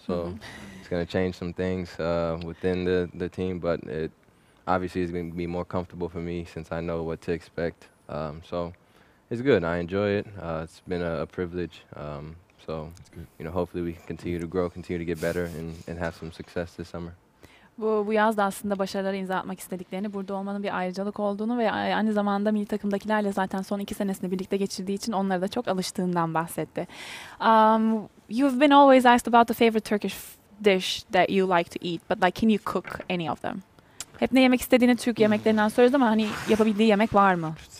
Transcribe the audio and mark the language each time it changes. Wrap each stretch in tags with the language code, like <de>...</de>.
<en>So mm-hmm. It's going to change some things within the team. But it obviously is going to be more comfortable for me since I know what to expect. It's good. I enjoy it. It's been a privilege. You know, hopefully we can continue to grow, continue to get better and have some success this summer.</en> <tr>Bu yaz da aslında başarılara imza atmak istediklerini, burada olmanın bir ayrıcalık olduğunu ve aynı zamanda milli takımdakilerle zaten son 2 senesini birlikte geçirdiği için onlara da çok alıştığından bahsetti.</tr> <en>You've been always asked about the favorite Turkish dish that you like to eat, but like can you cook any of them?</en> <tr>Hep ne yemek istediğini Türk yemeklerinden soruyoruz ama hani yapabildiği yemek var mı?</tr>